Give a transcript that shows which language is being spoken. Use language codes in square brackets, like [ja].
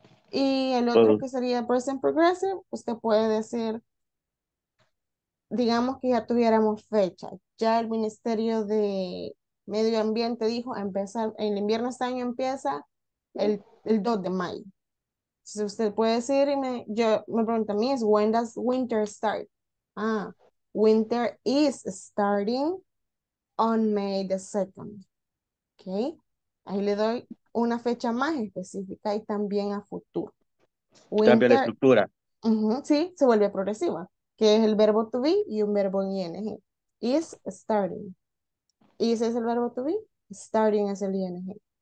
[es] Y el otro que sería present progressive, usted puede decir, digamos que ya tuviéramos fecha, ya el Ministerio de Medio Ambiente dijo, el invierno este año empieza el 2 de mayo. Entonces usted puede decir, me pregunta a mí, es [en] when does winter start? Ah, winter is starting on May the 2nd. [es] Ok, ahí le doy una fecha más específica y también a futuro. Cambia la estructura. Sí, se vuelve progresiva, que es el verbo to be y un verbo en ing. Is starting. Is es el verbo to be. Starting es el ing.